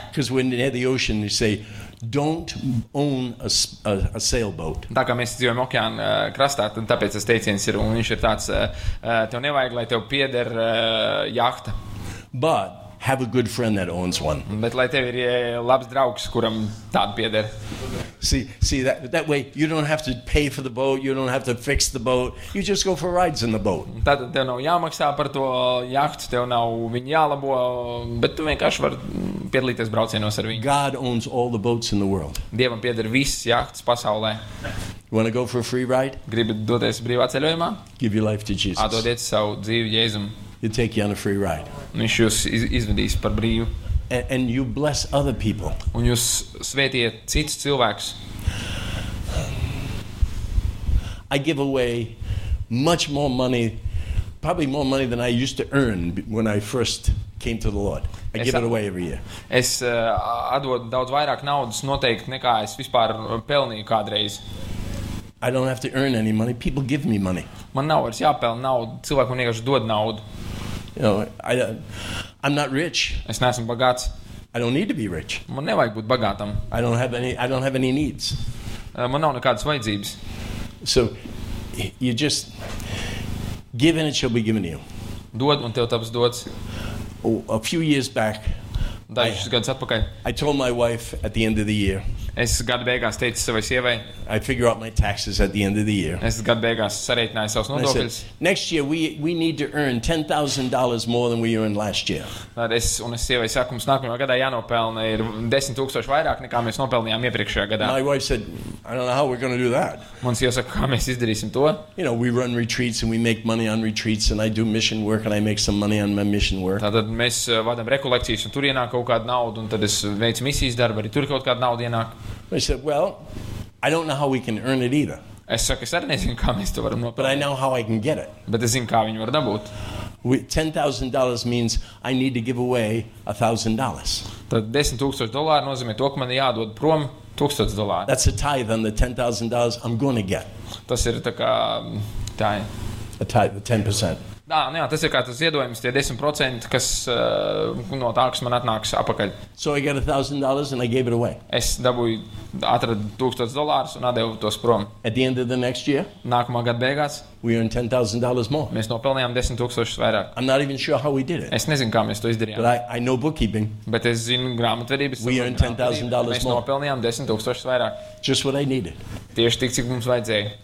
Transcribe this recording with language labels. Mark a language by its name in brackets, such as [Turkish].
[English] Because when near the ocean, you say, don't own a sailboat. [Latvian] Tā kā mēs dzīvojam okeāna krastā, tad tāpēc tas teiciens ir, un viņš ir tāds, tev nevajag, lai tev pieder jahta. [English] But have a good friend that owns one. [Latvian] Bet lai tev ir labs draugs, kuram tādu pieder. [English] See that way you don't have to pay for the boat, you don't have to fix the boat. You just go for rides in the boat. [Latvian] Tātad tev nav jāmaksā par to jahtu, tev nav viņu jālabo, bet tu vienkārši var piedalīties braucienos ar viņu. [English] God owns all the boats in the world. [Latvian] Dievam pieder visas jahtas pasaulē. [English] You want to go for a free ride? [Latvian] Gribi doties brīvā ceļojumā? [English] Give your life to Jesus. [Latvian] Atdodiet savu dzīvi Jēzum. [English] He'll take you on a free ride. [Latvian] Viņš jūs izvedīs par brīvu. [English] And you bless other people. [Latvian] Un jūs svētiet cits cilvēks. [English] I give away much more money, probably more money than I used to earn when I first came to the Lord. I give it away every year. [Latvian] Es atdodu daudz vairāk naudas noteikti nekā es vispār pelnīju kādreiz. [English] I don't have to earn any money. People give me money. [Latvian] Man nav vairs jāpelna naudu. Cilvēki man vienkārši dod naudu. [English] You know, I'm not rich. [Latvian] Es neesmu bagāts. [English] I don't need to be rich. [Latvian] Man nevajag būt bagātam. [English] I don't have any needs. [Latvian] Man nav nekādas vajadzības. [English] So you just give and it shall be given to you. [Latvian] Dod un tev tas dots. [English] A few years back. [Latvian] Dažus gadus atpakaļ. [English] I told my wife at the end of the year. [Latvian] Es gada beigās teicu savai sievai. [English] I figure out my taxes at the end of the year. [Latvian] Es gada beigās sareiķināju savus nodokļus. [English] Next year we need to earn $10,000 more than we earned last year. [Latvian] Tad es sievai saku, mums nākamajā gadā jānopelna ir 10 tūkstoši vairāk nekā mēs nopelnījām iepriekšējā gadā. [English] My wife said, I don't know how we're going to do that. [Latvian] Mums jāsaka, kā mēs izdarīsim to? [English] You know, we run retreats and we make money on retreats and I do mission work and I make some money on my mission work. [Latvian] Tad mēs vadam rekolekcijas un tur ienāk kaut kāda nauda un tad es veicu misijas darbu, arī tur kaut kāda nauda ienāk. [English] I said, well, I don't know how we can earn it either. [Latvian] Es saku, es arī nezinu, kā mēs to varam nopelnīt. [English] But I know how I can get it. [Latvian] Bet es zinu, kā viņu var dabūt. [English] $10,000 means I need to give away $1,000. [Latvian] Tad $10,000 nozīmē to, ka man jādod prom $1,000. [English] That's a tithe on the $10,000 I'm going to get. [Latvian] Tas ir tā kā tithe. [English] A tithe, 10%. [Latvian] Dā, nu jā, tas ir kā tas iedojums, tie 10%, kas no tā, kas man atnāks apakaļ. [English] So I got $1,000 and I gave it away. [Latvian] Es dabūju, atradu $1,000 un atdevu tos prom. [English] At the end of the next year? [Latvian] Nākamā gada beigās. [English] We earned $10,000 more. [Latvian] Mēs nopelnījām 10,000 vairāk. [English] I'm not even sure how we did it. [Latvian] Es nezinu, kā mēs to izdarījām. [English] But I know bookkeeping. [Latvian] Bet es zinu grāmatvedības. [English] We earned $10,000 more. [Latvian] Mēs nopelnījām 10,000 vairāk. [English] Just what I needed. [Latvian] Tieši tik, cik mums vajadzēja.